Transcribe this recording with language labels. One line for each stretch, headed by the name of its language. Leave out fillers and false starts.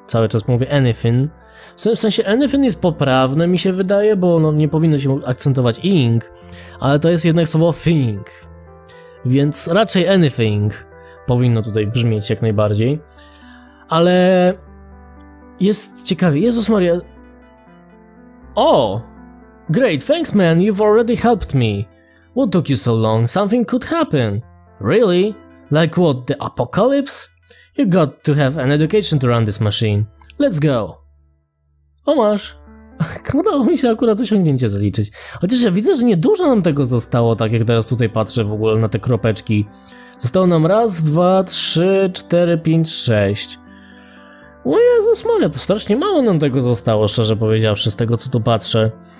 Polish: Cały czas mówię anything. W sensie anything jest poprawne, mi się wydaje, bo no, nie powinno się akcentować ing, ale to jest jednak słowo thing, więc raczej anything powinno tutaj brzmieć jak najbardziej. ale jest ciekawie. Jezus Maria.
English: Oh, great, thanks man, you've already helped me. What took you so long? Something could happen. Really? Like what, the apocalypse? You got to have an education to run this machine. Let's go.
Polish: O masz. Udało mi się akurat osiągnięcie zaliczyć. Chociaż ja widzę, że niedużo nam tego zostało, tak jak teraz tutaj patrzę w ogóle na te kropeczki. Zostało nam raz, dwa, trzy, cztery, pięć, sześć. O Jezus Maria, to strasznie mało nam tego zostało, szczerze powiedziawszy, z tego co tu patrzę.